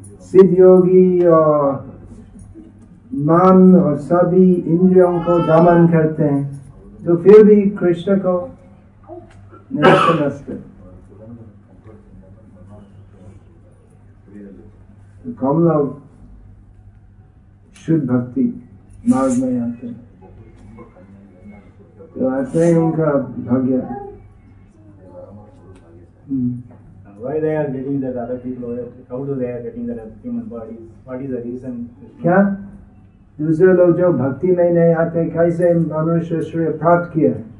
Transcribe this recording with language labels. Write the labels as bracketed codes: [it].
[hi] सिद्ध योगी और मन और सभी इंद्रियों को दमन करते हैं तो फिर भी कृष्ण को नहीं समझते. तो कम लोग शुद्ध भक्ति मार्ग में आते हैं तो ऐसे ही उनका भाग्य. [en] Why they are getting that other people? How do they are getting that human body? What is the reason? [hi] क्या दूसरे लोग जो भक्ति में नहीं आते कैसे मनुष्य श्रेय प्राप्त किए.